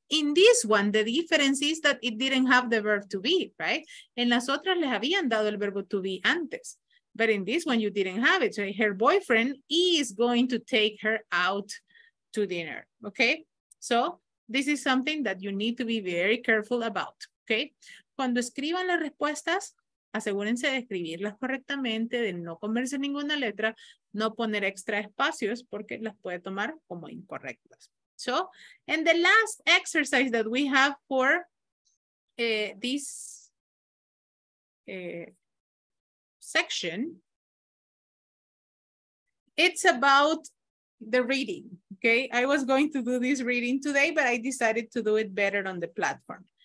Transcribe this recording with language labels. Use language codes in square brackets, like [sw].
[en] In this one, the difference is that it didn't have the verb to be, right? [es] En las otras les habían dado el verbo to be antes. [en] But in this one, you didn't have it. So her boyfriend is going to take her out to dinner, okay? So this is something that you need to be very careful about, okay? [es] Cuando escriban las respuestas, asegúrense de escribirlas correctamente, de no comerse ninguna letra, no poner extra espacios porque las puede tomar como incorrectas. [en] So, and the last exercise that we have for this section, it's about the reading, okay? I was going to do this reading today, but I decided to do it better on the platform.